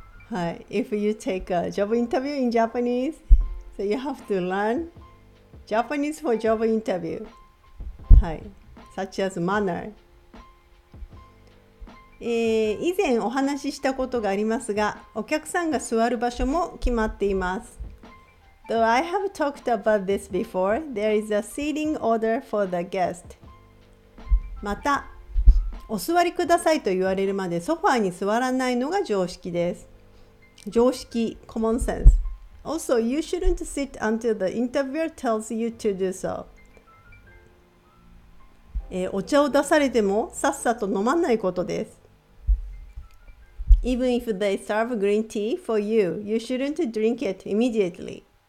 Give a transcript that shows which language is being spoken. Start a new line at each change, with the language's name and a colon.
English: はい、If you take a job interview in Japanese, so you have to learn Japanese for job interview. はい、such as manner.
Japanese: 以前お話ししたことがありますが、お客さんが座る場所も決まっています。
English: Though I have talked about this before, there is a seating order for the guest.
Japanese: また、お座りくださいと言われるまでソファーに座らないのが常識です。
English: 常識、common sense. Also, you shouldn't sit until the interviewer tells you to do so.
Japanese: お茶を出されてもさっさと飲まないことです。
English: Even if they serve green tea for you, you shouldn't drink it immediately.